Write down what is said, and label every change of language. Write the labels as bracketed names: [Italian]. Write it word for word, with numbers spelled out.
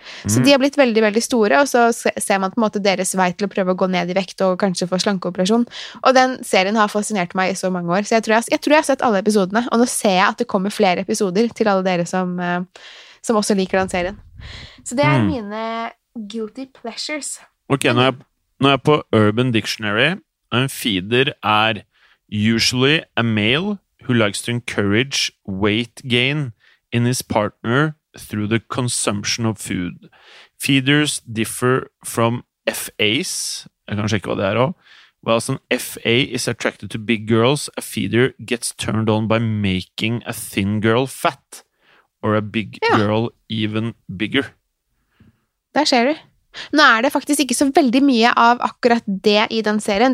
[Norwegian] Så de har blitt veldig, veldig store, og så ser man på en måte deres vei til å prøve å gå ned i vekt og kanskje få slankeoperasjon. Og den serien har fascinert meg i så mange år, så jeg tror jeg, jeg tror jeg har sett alle episodene, og nå ser jeg at det kommer flere episoder til alle dere som, som også liker den serien. Så det er mm. mine [English] guilty pleasures. [Norwegian] Ok, nå er jeg, nå er jeg på Urban Dictionary. En [English] feeder [Norwegian] er [English] usually a male who likes to encourage weight gain in his partner through the consumption of food. Feeders differ from F As. [Norwegian] Jeg kan sjekke hva det er også. [English] Whilst an F A is attracted to big girls, a feeder gets turned on by making a thin girl fat or a big [Norwegian] ja. [English] Girl even bigger. [Norwegian] Der ser du. Nå er det faktisk ikke så veldig mye av akkurat det i den serien.